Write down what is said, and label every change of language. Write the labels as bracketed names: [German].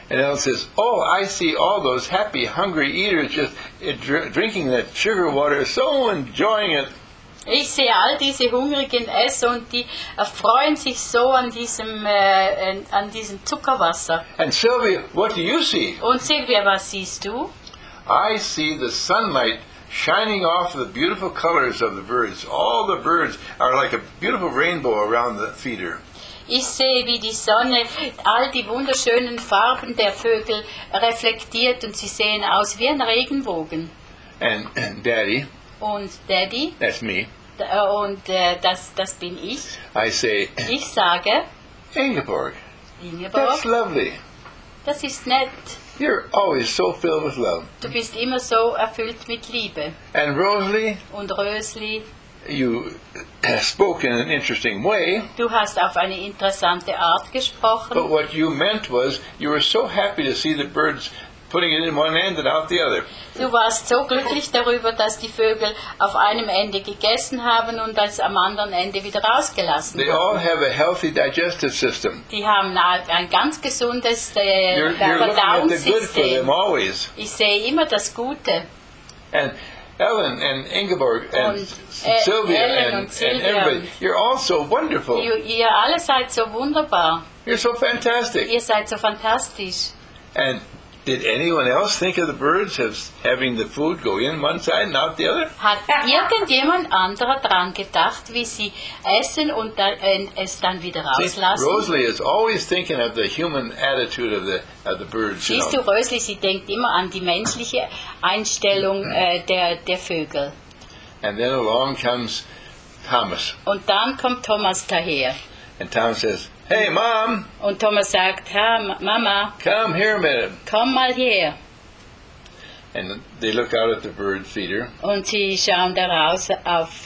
[English] And Ellen says, oh, I see all those happy, hungry eaters just drinking that sugar water, so enjoying it. [German] Ich sehe all diese hungrigen Esser und die erfreuen sich so an diesem Zuckerwasser. [English] And Sylvia, what do you see? [German] Und Sylvia, was siehst du? [English] I see the sunlight shining off the beautiful colors of the birds. All the birds are like a beautiful rainbow around the feeder. [German] Ich sehe, wie die Sonne all die wunderschönen Farben der Vögel reflektiert und sie sehen aus wie ein Regenbogen. [English] And Daddy. [German] Und Daddy. [English] That's me. [German] Das bin ich. [English] I say. [German] Ich sage. Ingeborg. Ingeborg. [English] That's lovely. [German] Das ist nett. [English] You're always so filled with love. [German] Du bist immer so erfüllt mit Liebe. [English] And Rosalie, [German] und Rösli, [English] you spoke in an interesting way. [German] Du hast auf eine interessante Art gesprochen. [English] But what you meant was, you were so happy to see the birds putting it in one end and out the other. [German] Du warst so glücklich darüber, dass die Vögel auf einem Ende gegessen haben und das am anderen Ende wieder rausgelassen. [English] They all have a healthy digestive system. [German] Die haben ein ganz gesundes Verdauungssystem. Ich sehe immer das Gute. [English] And Ellen and Ingeborg and Sylvia and everybody, you're all so wonderful. [German] Ihr alle seid so wunderbar. [English] You're so fantastic. [German] Ihr seid so fantastisch. [English] And did anyone else think of the birds as having the food go in one side and out the other? [German] Hat irgendjemand anderer dran gedacht, wie sie essen und es dann wieder rauslassen? [English] Rosalie is always thinking of the human attitude of the birds. [German] Siehst du, Rosalie, sie denkt immer an die menschliche Einstellung der Vögel. [English] And then along comes Thomas. [German] Und dann kommt Thomas daher. [English] And Thomas says, "Hey, Mom." [German] Und Thomas sagt, "Ha, Mama." [English] "Come here a minute." [German] Komm mal her. [English] And they look out at the bird feeder. [German] Und sie schauen da raus auf